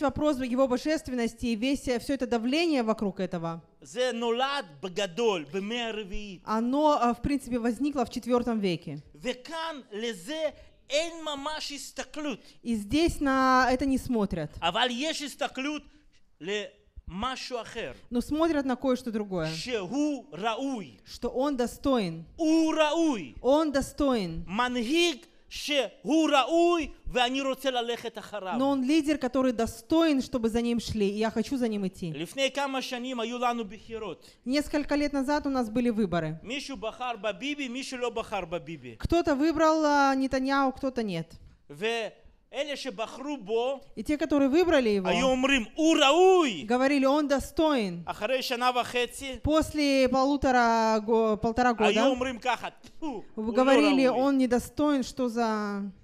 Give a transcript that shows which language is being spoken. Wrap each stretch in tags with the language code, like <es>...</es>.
<ru>вопрос в его божественности и весь все это давление вокруг этого.</ru> <he>זה נולד בגדול במאה הרביעית.</he> <ru>Оно в принципе возникло в 4 веке.</ru> <he>וכאן לזה אין ממש הסתכלות.</he> <ru>И здесь на это не смотрят.</ru> <he>אבל יש הסתכלות למשהו אחר.</he> <ru>Но смотрят на кое-что другое.</ru> <he>שהוא ראוי.</he> <ru>Что он достоин.</ru> <he>הוא ראוי.</he> <ru>Он достоин.</ru> <he>מנהיג שהוא ראוי, ואני רוצה ללכת אחריו.</he> <ru>Но он лидер, который достоин, чтобы за ним шли, и я хочу за ним идти.</ru> <he>לפני כמה שנים היו לנו בחירות.</he> <ru>Несколько лет назад у нас были выборы.</ru> <he>מישהו בחר בביבי, מישהו לא בחר בביבי.</he> <ru>Кто-то выбрал Нетаньяху, кто-то нет.</ru> <he>ואלה שבחרו בו,</he> <ru>и те, которые выбрали его,</ru> <he>היו אומרים, הוא ראוי.</he> <ru>Говорили, он достоин.</ru> <he>אחרי שנה וחצי,</he> <ru>после полтора года,</ru> <he>היו אומרים ככה,</he> <ru>говорили, он недостоин, что за...</ru>